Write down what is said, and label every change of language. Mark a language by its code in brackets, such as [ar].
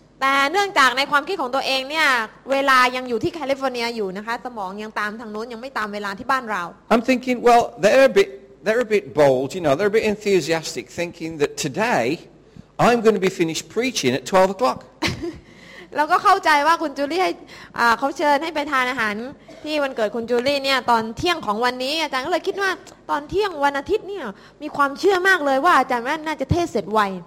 [th] แต่เนื่องจากในความคิดของตัวเองเนี่ยเวลายังอยู่ที่แคลิฟอร์เนียอยู่นะคะสมองยังตามทางโน้นยังไม่ตามเวลาที่บ้านเรา [en] I'm thinking, well, they're a bit bold, you know, they're a bit enthusiastic, thinking that today I'm going to be finished preaching at 12 o'clock. [th] เราก็เข้าใจว่าคุณจูลี่ให้เขาเชิญให้ไปทานอาหารที่วันเกิดคุณจูลี่เนี่ยตอนเที่ยงของวันนี้อาจารย์ก็เลยคิดว่าตอนเที่ยงวันอาทิตย์เนี่ยมีความเชื่อมากเลยว่าอาจารย์นั่นน่าจะเทศเสร็จไว